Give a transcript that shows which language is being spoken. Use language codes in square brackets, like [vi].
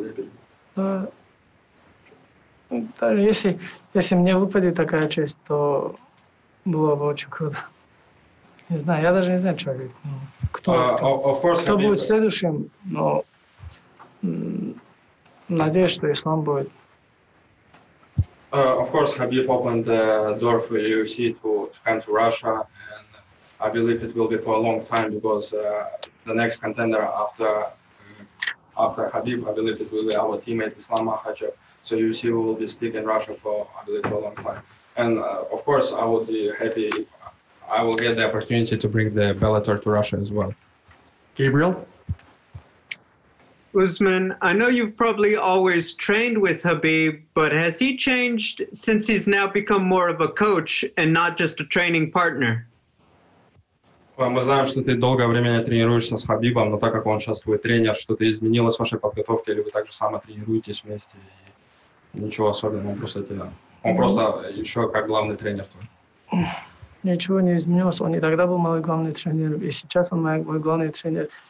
[ru] Лебедь. Если мне выпадет такая честь, то было бы очень круто. Не знаю, я даже не знаю, что ответить. Кто будет следующим? Но надеюсь, что Ислам будет. [en] Of course, Habib opened the door for UFC to come to Russia, and I believe it will be for a long time because the next contender after Habib, I believe it will be our teammate Islam Makhachev. So UFC will be stick in Russia for, I believe, for a long time. And of course, I would be happy if I will get the opportunity to bring the Bellator to Russia as well. Gabriel? Usman, I know you've probably always trained with Habib, but has he changed since he's now become more of a coach and not just a training partner? [ru] Мы знаем, что ты долгое время не тренируешься с Хабибом, но так как он сейчас твой тренер, что-то изменилось в вашей подготовке, или вы также сами тренируетесь вместе? Ничего особенного, он просто еще как главный тренер твой. Ничего не изменилось. Он и тогда был мой главный тренер, и сейчас он мой главный тренер.